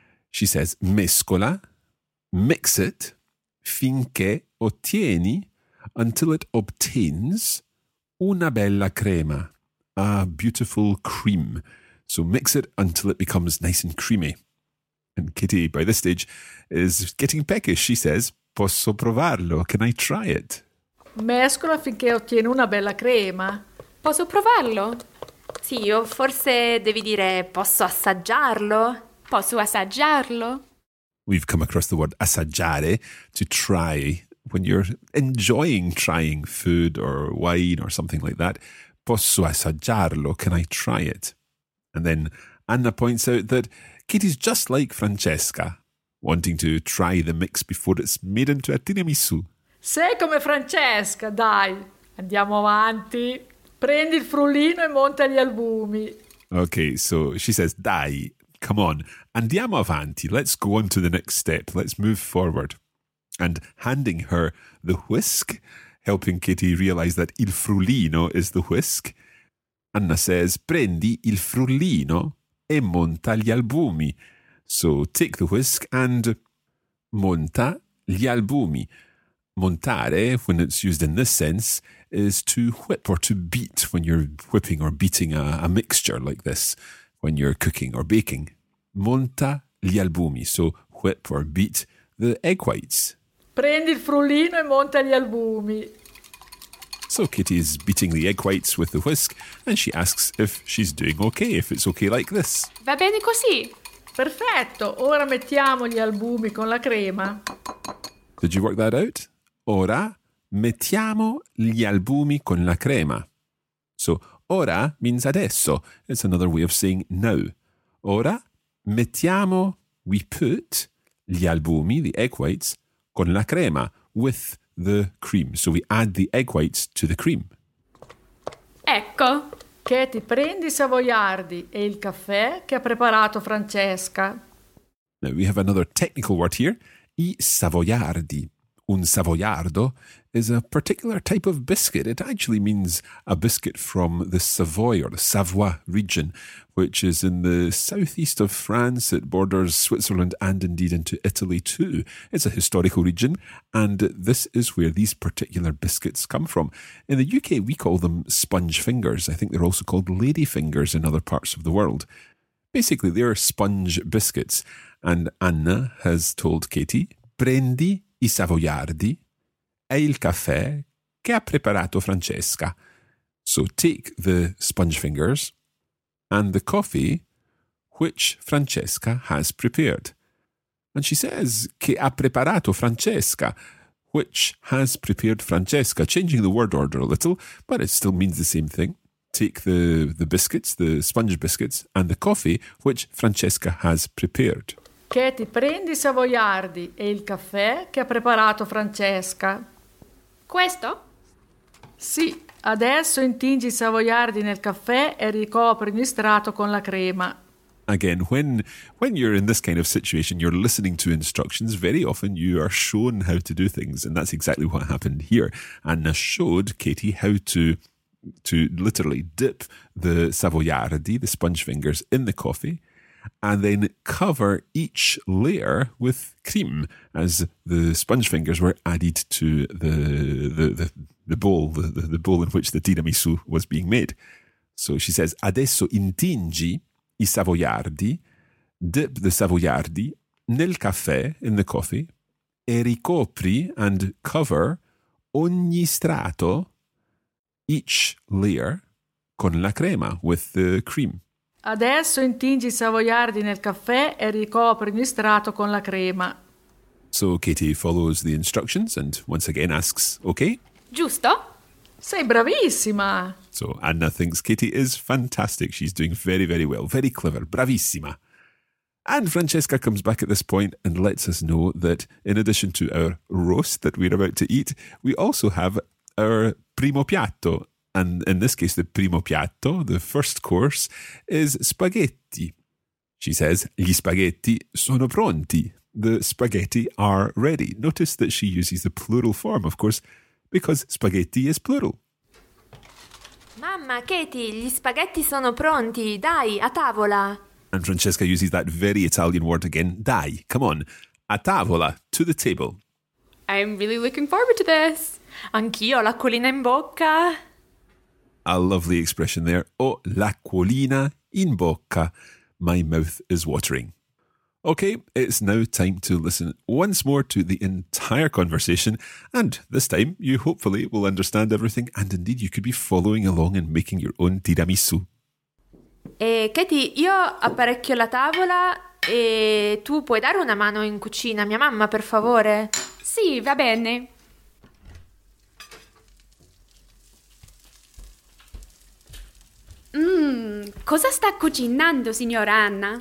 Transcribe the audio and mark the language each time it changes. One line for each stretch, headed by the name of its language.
English: She says,
Italian: mescola,
English: mix it,
Italian: finché ottieni,
English: until it obtains
Italian: una bella crema,
English: a beautiful cream. So mix it until it becomes nice and creamy. And Kitty, by this stage, is getting peckish.
Italian: She says, posso provarlo?
English: Can I try it?
Italian: Mescola finché ottiene una bella crema. Posso provarlo? Sì, o forse devi dire, posso assaggiarlo? Posso assaggiarlo?
English: We've come across the word assaggiare, to try, when you're enjoying trying food or wine or something like that.
Italian: Posso assaggiarlo?
English: Can I try it? And then Anna points out that Katie's just like Francesca, wanting to try the mix before it's made into a tiramisù.
Italian: Sei come Francesca, dai. Andiamo avanti. Prendi il frullino e monta gli albumi.
English: Okay, so she says, dai, come on.
Italian: Andiamo avanti.
English: Let's go on to the next step. Let's move forward. And handing her the whisk, helping Katie realize that il frullino is the whisk, Anna says,
Italian: prendi il frullino e monta gli albumi.
English: So take the whisk and
Italian: monta gli albumi.
English: Montare, when it's used in this sense, is to whip or to beat when you're whipping or beating a mixture like this when you're cooking or baking.
Italian: Monta gli albumi.
English: So whip or beat the egg whites. Prendi il frullino e monta gli albumi. So Kitty is beating the egg whites with the whisk and she asks if she's doing okay, if it's okay like this.
Italian: Va bene così. Perfetto, ora mettiamo gli albumi con la crema.
English: Did you work that out?
Italian: Ora mettiamo gli albumi con la crema.
English: So ora means adesso. It's another way of saying now.
Italian: Ora mettiamo,
English: we put
Italian: gli albumi,
English: the egg whites,
Italian: con la crema,
English: with the cream. So we add the egg whites to the cream.
Italian: Ecco. Che ti prendi savoiardi e il caffè che ha preparato Francesca.
English: Now we have another technical word here. I savoiardi. Un savoiardo is a particular type of biscuit. It actually means a biscuit from the Savoy or the Savoie region, which is in the southeast of France. It borders Switzerland and indeed into Italy too. It's a historical region and this is where these particular biscuits come from. In the UK, we call them sponge fingers. I think they're also called lady fingers in other parts of the world. Basically, they're sponge biscuits. And Anna has told Katie,
Italian: prendi i savoiardi e il caffè che ha preparato Francesca.
English: So take the sponge fingers and the coffee which Francesca has prepared. And she says,
Italian: che ha preparato Francesca,
English: which has prepared Francesca, changing the word order a little, but it still means the same thing. Take the biscuits, the sponge biscuits, and the coffee which Francesca has prepared.
Italian: Che ti prendi i savoiardi e il caffè che ha preparato Francesca. Questo? Sì, adesso intingi i savoiardi nel caffè e ricopri ogni strato con la crema.
English: Again, when you're in this kind of situation, you're listening to instructions, very often you are shown how to do things, and that's exactly what happened here. Anna showed Katie how to literally dip the savoiardi, the sponge fingers, in the coffee, and then cover each layer with cream as the sponge fingers were added to the bowl in which the tiramisu was being made. So she says,
Italian: adesso intingi i savoiardi,
English: dip the savoiardi
Italian: nel caffè,
English: in the coffee,
Italian: e ricopri
English: and cover
Italian: ogni strato,
English: each layer,
Italian: con la crema,
English: with the cream. Adesso intingi i savoiardi nel caffè e ricopri ogni strato con la crema. So Katie follows the instructions and once again asks, okay?
Italian: Giusto? Sei bravissima!
English: So Anna thinks Katie is fantastic. She's doing very, very well. Very clever. Bravissima. And Francesca comes back at this point and lets us know that in addition to our roast that we're about to eat, we also have our primo piatto. And in this case, the primo piatto, the first course, is spaghetti. She says,
Italian: gli spaghetti sono pronti.
English: The spaghetti are ready. Notice that she uses the plural form, of course, because spaghetti is plural.
Italian: Mamma, Katie, gli spaghetti sono pronti. Dai, a tavola.
English: And Francesca uses that very Italian word again. Dai, come on.
Italian: A tavola,
English: to the table. I'm really looking forward to this.
Italian: Anch'io, l'acquolina in bocca.
English: A lovely expression there. Oh,
Italian: l'acquolina in bocca.
English: My mouth is watering. Okay, it's now time to listen once more to the entire conversation. And this time, you hopefully will understand everything. And indeed, you could be following along and making your own tiramisu.
Italian: Katie, io apparecchio la tavola e tu puoi dare una mano in cucina a mia mamma, per favore? Sì, va bene. Cosa sta cucinando, signora Anna?